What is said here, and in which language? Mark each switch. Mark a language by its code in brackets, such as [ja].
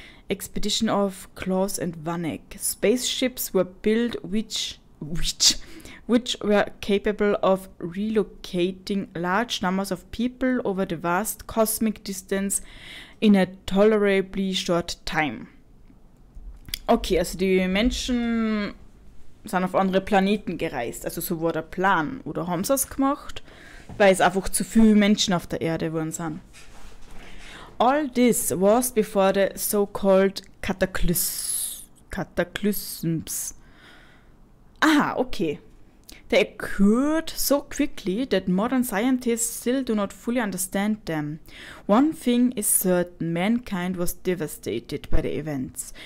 [en] Expedition of Claus and Vanek. Spaceships were built which were capable of relocating large numbers of people over the vast cosmic distance in a tolerably short time. [de] Okay, also die Menschen sind auf andere Planeten gereist. Also so war der Plan. Oder haben sie es gemacht? Weil es einfach zu viele Menschen auf der Erde geworden sind. [en] All this was before the so-called cataclysms. Aha, okay. They occurred so quickly that modern scientists still do not fully understand them. One thing is certain, mankind was devastated by the events.